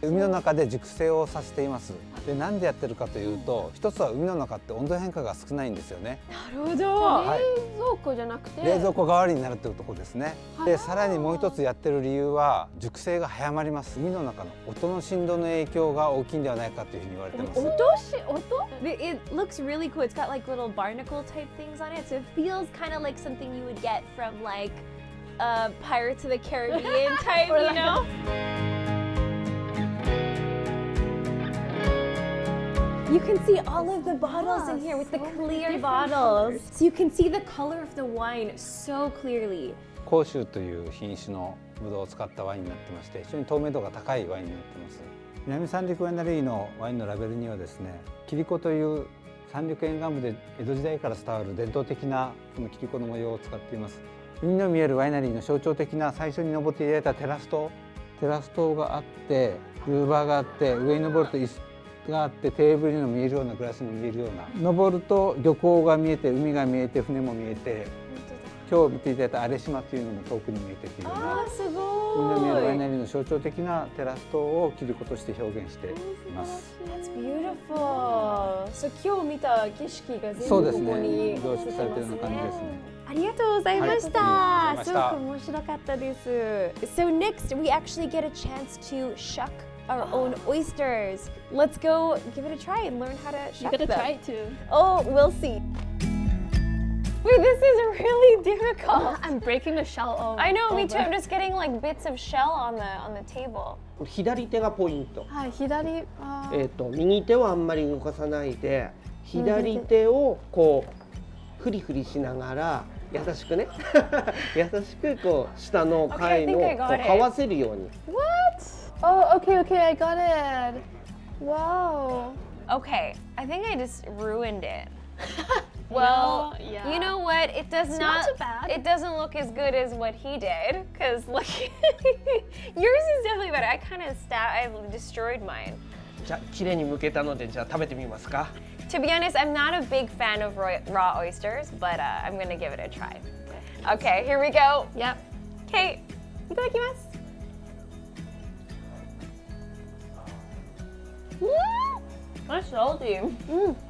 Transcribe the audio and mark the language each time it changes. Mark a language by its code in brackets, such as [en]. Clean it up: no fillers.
[ja] 海の中で熟成をさせています。で、なんでやってるかというと、一つは海の中って温度変化が少ないんですよね。なるほど、はい、冷蔵庫じゃなくて冷蔵庫代わりになるというところですね。で、さらにもう一つやってる理由は熟成が早まります。海の中の音の振動の影響が大きいんではないかというふうに言われてます。 [en] 音 It looks really cool. It's got like little barnacle type things on it. So it feels kind of like something you would get from likePirates of the Caribbean type, you know? You can see all of the bottles in here with the clear bottles. So you can see the color of the wine so clearly. [ja] 甲州という品種のブドウを使ったワインになってまして、非常に透明度が高いワインになってます。南三陸ワイナリーのワインのラベルにはですね、キリコという三陸沿岸部で江戸時代から伝わる伝統的なこのキリコの模様を使っています。海の見えるワイナリーの象徴的な最初に登っていただいたテラス塔があって、ルーバーがあって、上に登ると椅子があって、テーブルにも見えるような、グラスにも見えるような。登ると漁港が見えて、海が見えて、船も見えて、今日見ていただいた荒島というのも遠くに見えてくるような。あー、すごい。海の見えるワイナリーの象徴的なテラス塔をキリコとして表現しています。 [en] That's beautiful. So, [ja] 今日見た景色が全部ここに凝縮されているような感じですね。ありがとうございました。すごく面白かったです。 [en] So next, we actually get a chance to shuck our own oysters. Let's go give it a try and learn how to shuck them. You gotta try it too. Oh, we'll see. Wait, this is really difficult. I'm breaking the shell over. I know, me too. I'm just getting like bits of shell on the table. [ja] これ左手がポイント。はい、左。右手をあんまり動かさないで、左手をこう、フリフリしながら優しくね優しくこう下の貝のこう這わせるように [en] What? Oh, okay, okay, I got it. Wow. Okay, I think I just ruined it. Well, no, yeah. You know what? It does It's not too bad. It doesn't look as good as what he did. Cause look, yours is definitely better. I kind of stabbed, I destroyed mine. [ja] じゃあ綺麗に剥けたのでじゃあ食べてみますか。 [en] To be honest, I'm not a big fan of raw oysters, but I'm gonna give it a try. Okay, here we go. Yep. [ja] Okay, いただきます。 [en] Mm. That's salty. Mm.